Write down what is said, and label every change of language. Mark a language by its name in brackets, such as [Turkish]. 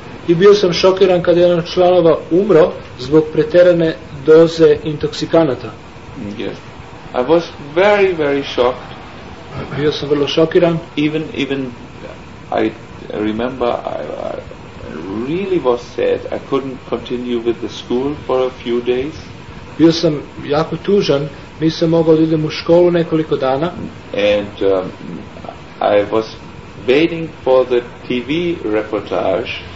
[Serbian] I bio sam šokiran kad jedan od članova umro zbog preterane doze intoksikanata. [English] Yes. I was very, very shocked. [Serbian] Bio sam vrlo šokiran. [English] Even I remember I really was sad. I couldn't continue with the school for a few days. [Serbian] Bio sam jako tužan. Nisam mogao da idem u školu nekoliko dana. [English] And I was waiting for the TV reportage